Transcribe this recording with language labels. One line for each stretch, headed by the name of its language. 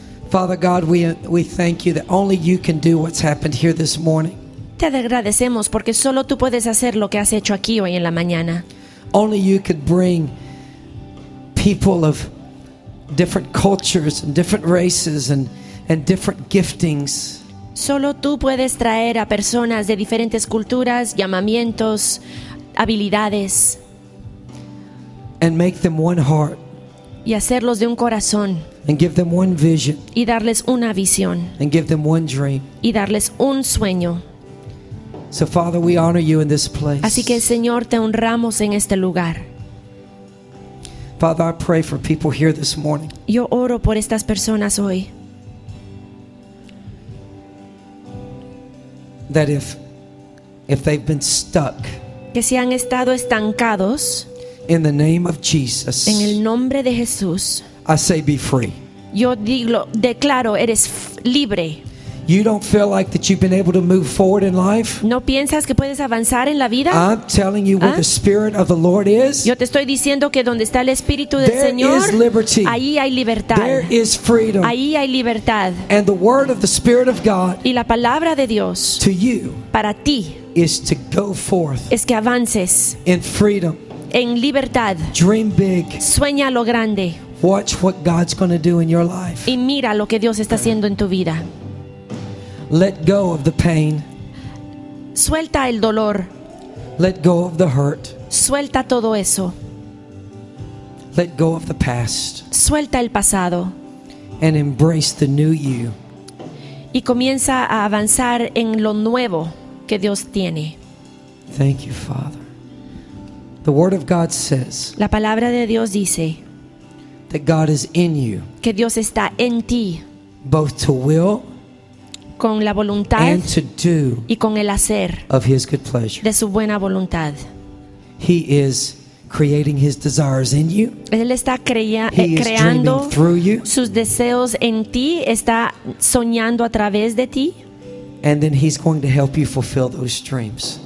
English: Father God, we thank you that only you can do what's happened here this morning.
Spanish: Te agradecemos porque solo tú puedes hacer lo que has hecho aquí hoy en la mañana.
English: Only you could bring people of different cultures and different races and different giftings.
Spanish: Solo tú puedes traer a personas de diferentes culturas, llamamientos, habilidades.
English: And make them one heart.
Spanish: Y hacerlos de un corazón.
English: And give them one vision.
Spanish: Y darles una visión.
English: And give them one dream.
Spanish: Y darles un sueño.
English: So Father, we honor you in this place.
Spanish: Así que Señor, te honramos en este lugar.
English: Father, I pray for people here this morning.
Spanish: Yo oro por estas personas hoy.
English: That if they've been stuck,
Spanish: que si han estado estancados,
English: in the name of Jesus,
Spanish: en el nombre de Jesús,
English: I say be free.
Spanish: Yo digo, declaro, eres libre.
English: You don't feel like that you've been able to move forward in life?
Spanish: ¿No piensas que puedes avanzar en la vida?
English: I'm telling you where the Spirit of the Lord is.
Spanish: Yo te estoy diciendo que donde está el Espíritu del Señor,
English: there is liberty.
Spanish: Ahí hay libertad.
English: There is freedom.
Spanish: Ahí hay libertad.
English: And the word of the Spirit of God,
Spanish: y la palabra de Dios,
English: to you,
Spanish: para ti,
English: is to go forth,
Spanish: es que avances,
English: in freedom,
Spanish: en libertad.
English: Dream big.
Spanish: Sueña lo grande.
English: Watch what God's going to do in your life.
Spanish: Y mira lo que Dios está haciendo en tu vida.
English: Let go of the pain.
Spanish: Suelta el dolor.
English: Let go of the hurt.
Spanish: Suelta todo eso.
English: Let go of the past.
Spanish: Suelta el pasado.
English: And embrace the new you.
Spanish: Y comienza a avanzar en lo nuevo que Dios tiene.
English: Thank you, Father. The word of God says.
Spanish: La palabra de Dios dice.
English: That God is in you.
Spanish: Que Dios está en ti.
English: Both to will,
Spanish: con la voluntad,
English: and to do,
Spanish: y con el hacer,
English: of his good pleasure,
Spanish: de su buena voluntad.
English: He is creating his desires in you.
Spanish: Él está creando sus deseos en ti, está soñando a través de ti.
English: And then he's going to help you fulfill those dreams.